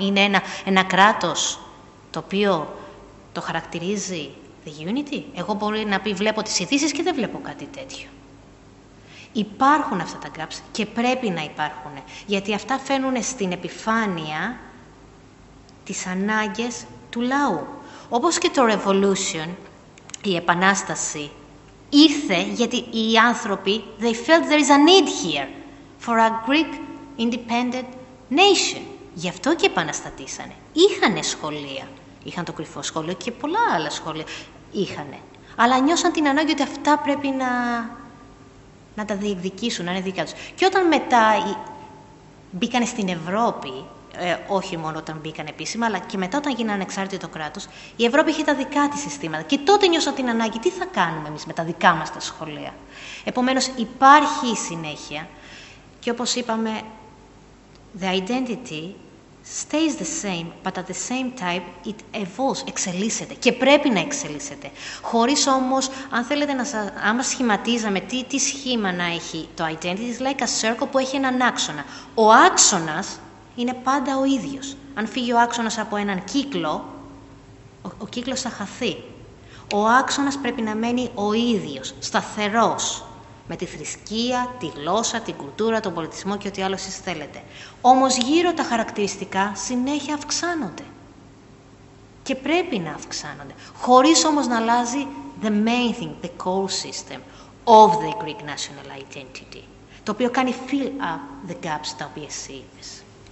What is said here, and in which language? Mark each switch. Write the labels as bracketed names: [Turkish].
[Greek] Είναι ένα κράτος το οποίο το χαρακτηρίζει [English] the unity? [Greek] Εγώ μπορεί να πει, βλέπω τις ειδήσεις και δεν βλέπω κάτι τέτοιο. Υπάρχουν αυτά τα gaps και πρέπει να υπάρχουν. Γιατί αυτά φαίνουν στην επιφάνεια τις ανάγκες του λαού. Όπως και το revolution, η επανάσταση, ήρθε γιατί οι άνθρωποι, [English] they felt there is a need here for a Greek independent nation. [Greek] Γι' αυτό και επαναστατήσανε. Είχανε σχολεία. Είχαν το κρυφό σχολείο και πολλά άλλα σχολεία. Είχανε. Αλλά νιώσαν την ανάγκη ότι αυτά πρέπει να τα διεκδικήσουν, να είναι δικά τους. Και όταν μετά μπήκανε στην Ευρώπη, όχι μόνο όταν μπήκαν επίσημα, αλλά και μετά όταν γίνανε ανεξάρτητο κράτος, η Ευρώπη είχε τα δικά της συστήματα. Και τότε νιώσα την ανάγκη, τι θα κάνουμε εμείς με τα δικά μας τα σχολεία. Επομένως, υπάρχει η συνέχεια. Και όπως είπαμε, [English] the identity stays the same, but at the same time it evolves, [Greek] εξελίσσεται και πρέπει να εξελίσσεται. Χωρίς όμως, αν θέλετε να σας, άμα σχηματίζαμε τι σχήμα να έχει το identity, [English] it's like a circle [Greek] που έχει έναν άξονα. Ο άξονας είναι πάντα ο ίδιος. Αν φύγει ο άξονας από έναν κύκλο, ο κύκλος θα χαθεί. Ο άξονας πρέπει να μένει ο ίδιος, σταθερός. Με τη θρησκεία, τη γλώσσα, την κουλτούρα, τον πολιτισμό και ό,τι άλλο εσείς θέλετε. Όμως γύρω τα χαρακτηριστικά συνέχεια αυξάνονται. Και πρέπει να αυξάνονται. Χωρίς όμως να αλλάζει [English] the main thing, the core system of the Greek national identity. [Greek] Το οποίο κάνει [English] fill up the gaps [Greek] τα οποία εσύ είπες.